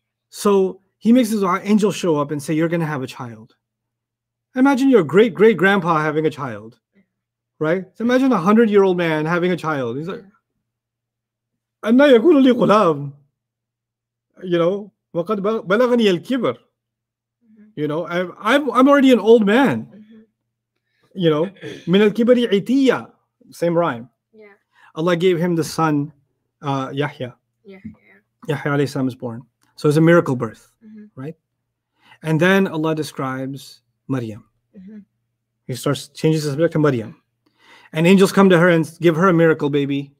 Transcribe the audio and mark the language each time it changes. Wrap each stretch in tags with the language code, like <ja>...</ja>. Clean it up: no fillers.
<en>So he makes his angel show up and say, you're going to have a child. Imagine your great-great-grandpa having a child, right? So imagine a 100-year-old man having a child. He's like,</en> <ar>أَنَّا يَكُونُ لِي غُلَامٌ.</ar> <en>You know,</en> <ar>وَقَدْ بَلَغَنِي الْكِبَرُ.</ar> <en>You know, I'm already an old man. You know,</en> <ar>مِنَ الْكِبَرِ عِتِيَّ.</ar> <en>Same rhyme. Yeah. Allah gave him the son, Yahya. Yeah. Yahya alayhi salam is born. So it's a miracle birth, mm-hmm. right? And then Allah describes Maryam. Mm-hmm. He starts, changes the subject to Maryam. And angels come to her and give her a miracle baby,</en>